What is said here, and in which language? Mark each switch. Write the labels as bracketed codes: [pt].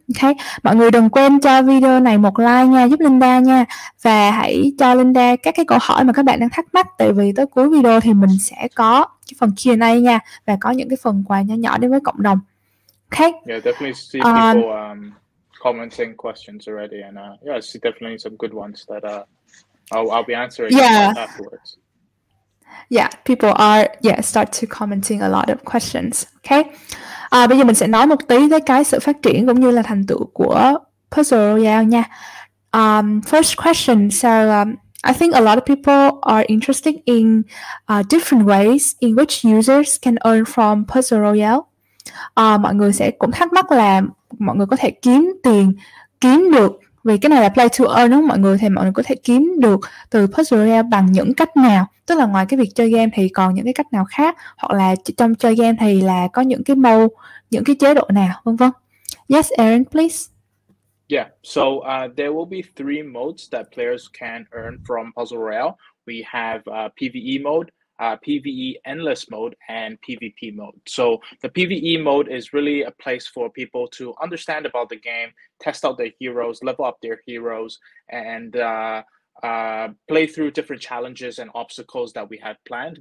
[vi] Okay, mọi người đừng quên cho video này một like nha, giúp Linda nha, và hãy cho Linda các cái câu hỏi mà các bạn đang thắc mắc, tại vì tới cuối video thì mình sẽ có cái phần Q&A nha, và có những cái phần quà nhỏ nhỏ đến với cộng đồng. [en] Okay. Yeah, definitely see people commenting questions already, and yeah, I see definitely some good ones that I'll be answering afterwards. Yeah, people are start to commenting a lot of questions. Okay. [vi] Bây giờ mình sẽ nói một tí tới cái sự phát triển cũng như là thành tựu của Puzzle Royale nha. [en] First question, so I think a lot of people are interested in different ways in which users can earn from Puzzle Royale. [vi] Mọi người sẽ cũng thắc mắc là mọi người có thể kiếm tiền, kiếm được, vì cái này là play to earn đúng không mọi người, thì mọi người có thể kiếm được từ Puzzle Royale bằng những cách nào, tức là ngoài cái việc chơi game thì còn những cái cách nào khác, hoặc là trong chơi game thì là có những cái mode, những cái chế độ nào, vân vân. [en] Yes, Aaron, please. Yeah, so there will be three modes that players can earn from Puzzle Royale. We have PvE mode, PvE endless mode, and PvP mode. So the PvE mode is really a place for people to understand about the game, test out their heroes, level up their heroes, and play through different challenges and obstacles that we have planned.